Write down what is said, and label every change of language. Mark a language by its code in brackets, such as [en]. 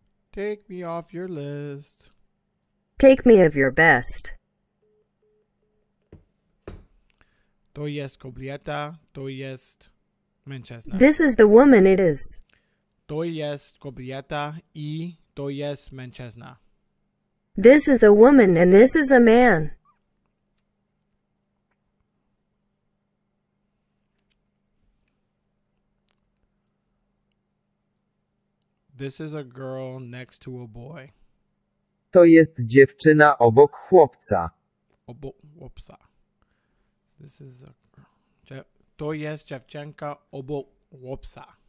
[en] Take me off your list. Take me of your best. [pl] To jest kobieta, to jest mężczyzna. [en] This is the woman it is. [pl] To jest kobieta i to jest mężczyzna. [en] This is a woman and this is a man. This is a girl next to a boy. [pl] To jest dziewczyna obok chłopca. Obok chłopca. [en] This is a [pl] to jest dziewczynka obok chłopca.